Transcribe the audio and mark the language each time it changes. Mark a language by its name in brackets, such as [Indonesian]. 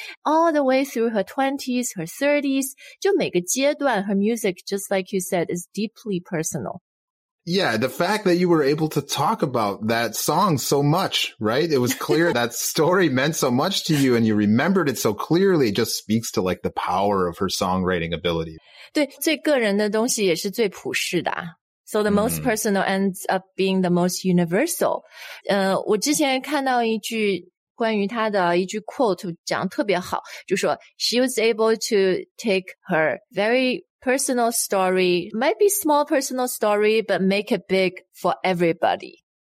[English] All the way through her 20s, her 30s, [Chinese] 就每个阶段 [English] her music, just like you said, is deeply personal. Yeah, the fact that you were able to talk about that song so much, right? It was clear that story meant so much to you and you remembered it so clearly. It just speaks to like the power of her songwriting ability. [Chinese] 对，最个人的东西也是最普世的。 [English] So the most personal ends up being the most universal. [Chinese] 我之前看到一句关于她的一句 quote 讲特别好，就说 [English] She was able to take her very... personal story, might be small personal story, but make it big for everybody.